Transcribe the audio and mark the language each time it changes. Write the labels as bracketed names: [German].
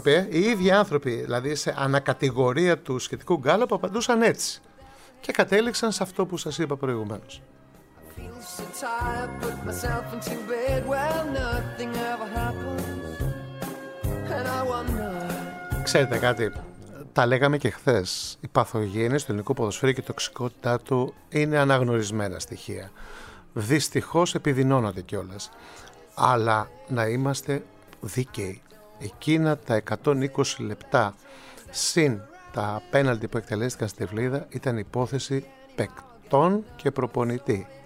[Greek] Οι ίδιοι άνθρωποι, δηλαδή σε ανακατηγορία του σχετικού γκάλωπ, απαντούσαν έτσι. Και κατέληξαν σε αυτό που σας είπα προηγουμένως. [English] so tired, put myself into bed. Well, nothing ever happens, and I wonder. [Greek] Ξέρετε κάτι, τα λέγαμε και χθες. Η παθογένεια του ελληνικού ποδοσφαίρου και η τοξικότητά του είναι αναγνωρισμένα στοιχεία. Δυστυχώς επιδεινώνονται κιόλας. Αλλά να είμαστε δίκαιοι. Εκείνα τα 120 λεπτά συν τα πέναλτι που εκτελέστηκαν στη Βλίδα ήταν υπόθεση παικτών και προπονητή.